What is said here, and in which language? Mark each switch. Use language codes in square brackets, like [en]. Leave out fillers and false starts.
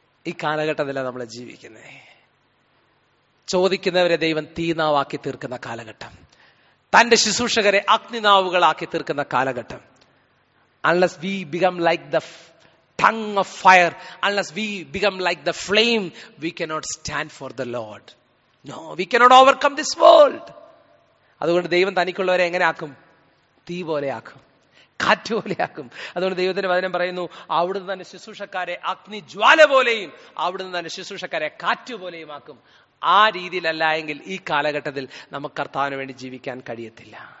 [ml] ഈ കാലഘട്ടത്തിൽ നമ്മൾ ജീവിക്കുന്നത്, ചോദിക്കുന്നവരെ ദൈവം തീനാവാക്കി തീർക്കുന്ന കാലഘട്ടം, തന്റെ ശുശ്രൂഷകരെ അഗ്നിനാവുകളാക്കി തീർക്കുന്ന കാലഘട്ടം. [en] Unless we become like the tongue of fire, unless we become like the flame, we cannot stand for the Lord. No, we cannot overcome this world. [ml] അതുകൊണ്ട് ദൈവം തനിക്കുള്ളവരെ എങ്ങനെ ആക്കും? തീ പോലെയാക്കും, കാറ്റ് പോലെയാക്കും. അതുകൊണ്ട് ദൈവത്തിന്റെ വചനം പറയുന്നു, അവിടുന്ന് തന്നെ ശുശ്രൂഷക്കാരെ അഗ്നി ജ്വാല പോലെയും അവിടുന്ന് തന്നെ ശുശ്രൂഷക്കാരെ കാറ്റ് പോലെയും ആക്കും. ആ രീതിയിലല്ല എങ്കിൽ ഈ കാലഘട്ടത്തിൽ നമുക്ക് കർത്താവിന് വേണ്ടി ജീവിക്കാൻ കഴിയത്തില്ല.